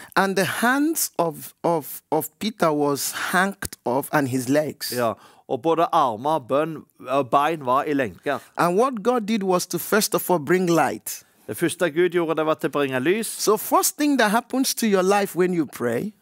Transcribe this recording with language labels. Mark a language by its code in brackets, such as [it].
[en] And the hands of Peter was hanged off and his legs. [no] Ja. Og både armer og bein var i lenker. [en] And what God did was to first of all bring light. [no] Det første Gud gjorde, det var til å bringe lys. [en] So first thing that happens to your life when you pray.